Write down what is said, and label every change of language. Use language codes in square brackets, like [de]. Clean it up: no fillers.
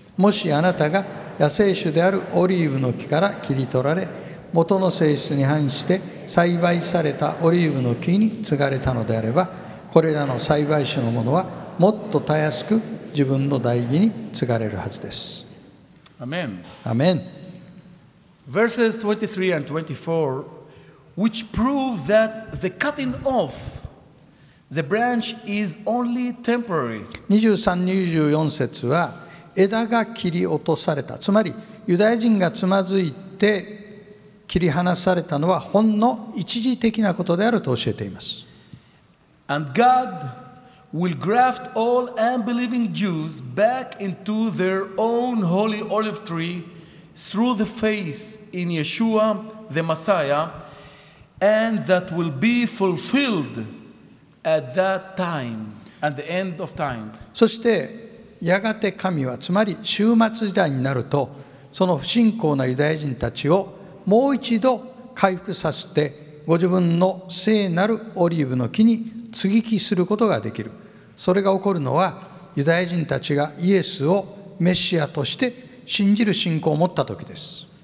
[ja] もしあなたが野生種であるオリーブの木から切り取られ、元の性質に反して栽培されたオリーブの木に継がれたのであれば、これらの栽培種のものはもっとたやすく自分の代義に継がれるはずです。アメン。アメン。 [en] Verses 23 and 24, which prove that the cutting off the branch is only temporary. [ja] 23-24 節は枝が切り落とされた。つまりユダヤ人がつまずいて切り離されたのはほんの一時的なことであると教えています。 [en] And God will graft all unbelieving Jews back into their own holy olive tree through the faith in Yeshua the Messiah, and that will be fulfilled at that time, at the end of time. [ja] そしてやがて神は、つまり終末時代になると、その不信仰なユダヤ人たちをもう一度回復させて、ご自分の聖なるオリーブの木に継ぎ木することができる。それが起こるのはユダヤ人たちがイエスをメシアとして信じる信仰を持った時です。